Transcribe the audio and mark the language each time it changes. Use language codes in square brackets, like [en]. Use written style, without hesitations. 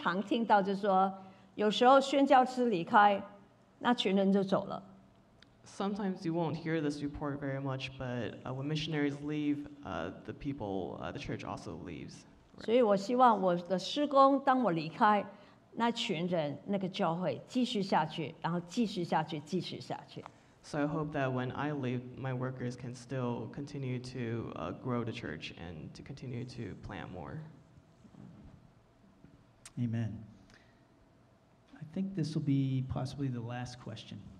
[zh] 可能你也会听到很多时候这个报告你可能不常听到，就是说有时候宣教师离开。 [en] Sometimes you won't hear this report very much, but when missionaries leave, the people, the church also leaves. Right? [zh] 所以我希望我的施工，当我离开，那群人、那个教会继续下去，然后继续下去，继续下去。 [en] So I hope that when I leave, my workers can still continue to grow the church and to continue to plant more. Amen. I think this will be possibly the last question.